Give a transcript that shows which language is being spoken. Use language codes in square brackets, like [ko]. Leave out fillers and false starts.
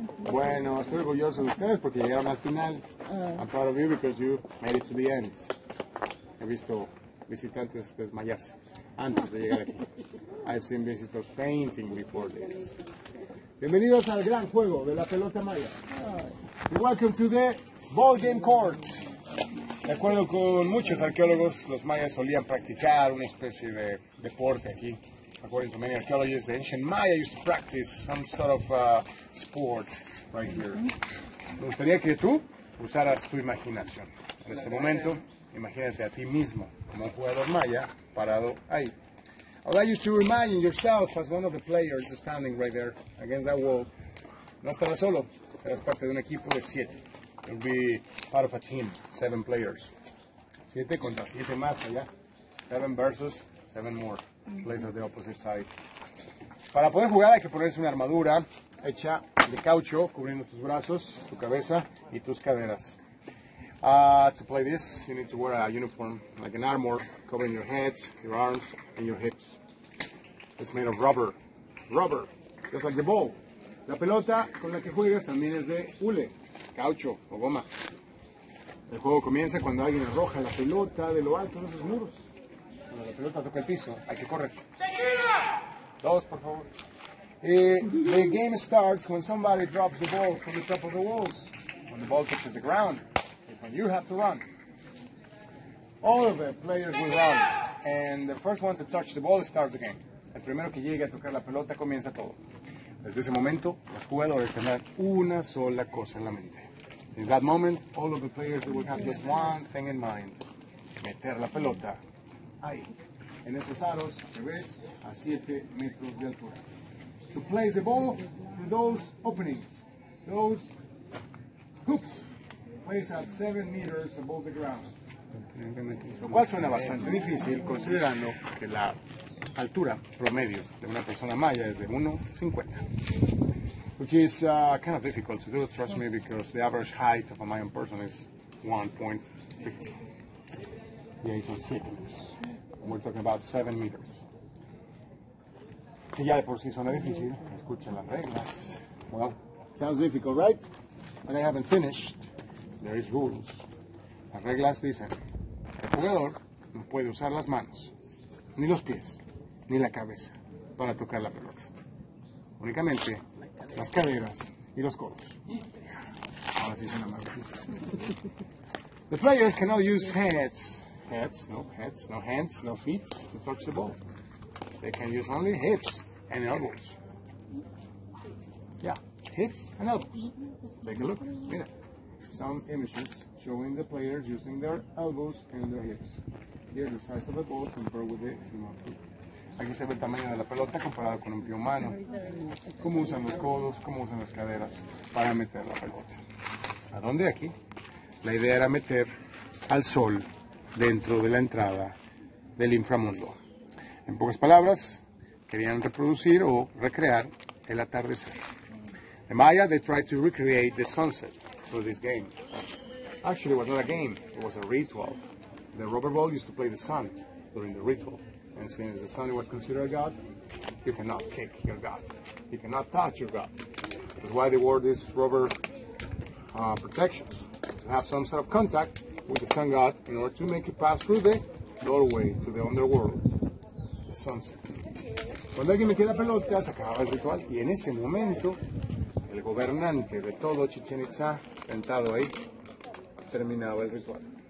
[es] Bueno, estoy orgulloso de ustedes porque llegaron al final. [en] I'm proud of you because you made it to the end. [es] He visto visitantes desmayarse antes de llegar aquí. [en] I've seen visitors fainting before this. [es] Bienvenidos al gran juego de la pelota maya. [en] Welcome to the ball game court. [es] De acuerdo con muchos arqueólogos, los mayas solían practicar una especie de deporte aquí. [en] According to many archaeologists, the ancient Maya used to practice some sort of sport right here. [es] Me gustaría que tú usaras tu imaginación. En este momento, imagínate a ti mismo como un jugador maya parado ahí. [en] I would like you to imagine yourself as one of the players standing right there against that wall. [es] No estarás solo, eres parte de un equipo de siete. [en] You'll be part of a team, seven players. [es] Siete contra siete más allá. [en] Seven versus seven more. Plays at the opposite side. [es] Para poder jugar hay que ponerse una armadura hecha de caucho cubriendo tus brazos, tu cabeza y tus caderas. [en] To play this, you need to wear a uniform like an armor covering your head, your arms and your hips. It's made of rubber. Rubber, just like the ball. [es] La pelota con la que juegas también es de hule, caucho o goma. El juego comienza cuando alguien arroja la pelota de lo alto de esos muros. Cuando la pelota toca el piso, hay que correr. Dos, por favor. [en] The game starts when somebody drops the ball from the top of the walls. When the ball touches the ground, it's when you have to run. All of the players will run, and the first one to touch the ball starts the game. [es] El primero que llegue a tocar la pelota comienza todo. Desde ese momento, los jugadores tendrán una sola cosa en la mente. [en] Since that moment, all of the players will have just one thing in mind. [es] Meter la pelota. Ahí, en esos aros que ves a 7 metros de altura. [en] To place the ball in those openings, those hoops, placed at 7 meters above the ground. [es] Lo cual suena bastante difícil considerando que la altura promedio de una persona maya es de 1.50. [en] Which is kind of difficult to do, trust me, because the average height of a Mayan person is 1.50. [es] Y ahí son 7 metros. [en] We're talking about 7 meters. [es] Si ya de por sí suena difícil, escuchen las reglas. [en] Well, sounds difficult, right? And I haven't finished. There is rules. [es] Las reglas dicen, el jugador no puede usar las manos, ni los pies, ni la cabeza para tocar la pelota. Únicamente las caderas y los codos. Ahora sí suena más difícil. [en] The players cannot use heads. Heads, no hands, no feet to touch the ball. They can use only hips and elbows. Yeah, hips and elbows. Take a look. [es] Mira. [en] Some images showing the players using their elbows and their hips. Here the size of the ball compared with the human foot. [es] Aquí se ve el tamaño de la pelota comparado con un pie humano. Cómo usan los codos, cómo usan las caderas para meter la pelota. ¿A dónde aquí? La idea era meter al sol dentro de la entrada del inframundo. En pocas palabras, querían reproducir o recrear el atardecer. [en] In Maya, they tried to recreate the sunset through this game. Actually, it was not a game, it was a ritual. The rubber ball used to play the sun during the ritual. And since the sun was considered a god, you cannot kick your god. You cannot touch your god. That's why they wore these rubber protections, to have some sort of contact with the sun god in order to make it pass through the doorway to the underworld, the sunset. [es] Cuando alguien me queda pelota, se acababa el ritual, y en ese momento, el gobernante de todo Chichen Itza, sentado ahí, terminaba el ritual.